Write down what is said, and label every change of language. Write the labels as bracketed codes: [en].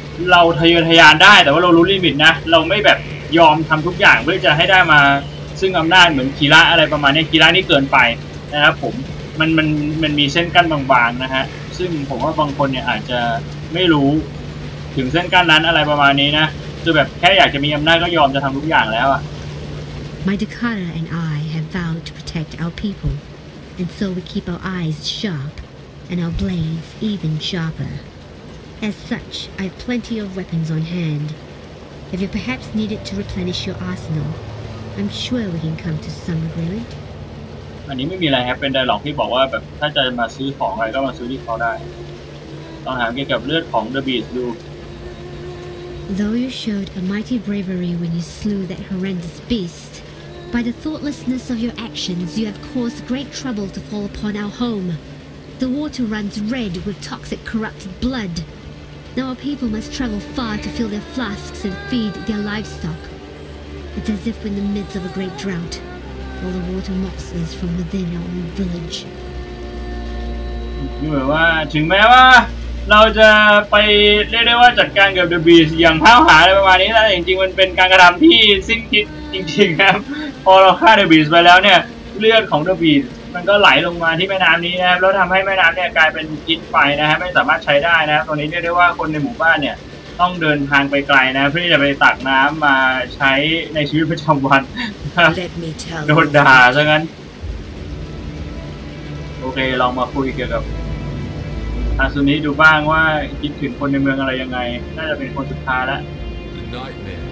[th] เราทะเยอทะยานได้แต่ว่าเรารู้ลิมิตนะเราไม่แบบยอมทำทุกอย่างเพื่อจะให้ได้มาซึ่งอำนาจเหมือนคีระอะไรประมาณนี้คีระนี่เกินไปนะครับผมมันมีเส้นกั้นบางๆนะฮะซึ่งผมว่าบางคนเนี่ยอาจจะไม่รู้ถึงเส้นกั้นนั้นอะไรประมาณนี้นะคือแบบแค่อยากจะมีอำนาจก็ยอมจะทำทุกอย่างแล้วอะ [en] My Dakota and I have vowed to protect our people and so we keep our eyes sharp and our blades even sharper as such I have plenty of weapons on hand if you perhaps need it to replenish your arsenal I'm sure we can come to some agreement [th] อันนี้ไม่มีอะไรครับเป็นไดร็อกที่บอกว่าแบบถ้าจะมาซื้อของอะไรก็มาซื้อที่เขาได้ต้องถามเกี่ยวกับเลือดของเดอะบีสต์ดู [en] Though you showed a mighty bravery when you slew that horrendous beast by the thoughtlessness of your actions you have caused great trouble to fall upon our homeThe water runs red with toxic corrupted blood. Now our people must travel far to fill their flasks and feed their livestock. It's as if we're in the midst of a great drought. All the water moxes from within our own village. [th] นี่หมายว่าถึงแม้ว่าเราจะไปเรียกได้ว่าจัดการกับเดอะบีสต์อย่างเท้าหาอะไรประมาณนี้แต่จริงๆมันเป็นการกระทำที่สิ้นคิดจริงๆครับ พอเราฆ่าเดอะบีสต์ไปแล้วเนี่ยเลือดของเดอะบีสต์มันก็ไหลลงมาที่แม่น้ำนี้นะครับแล้วทำให้แม่น้ำเนี่ยกลายเป็นกิ๊ดไฟนะฮะไม่สามารถใช้ได้นะครับตรงนี้เรียกได้ว่าคนในหมู่บ้านเนี่ยต้องเดินทางไปไกลนะเพื่อที่จะไปตักน้ำมาใช้ในชีวิตประจำวันโดนด่าซะงั้นโอเคลองมาคุยเกี่ยวกับอาซุนิดูบ้างว่าคิดถึงคนในเมืองอะไรยังไงน่าจะเป็นคนสุดท้ายแล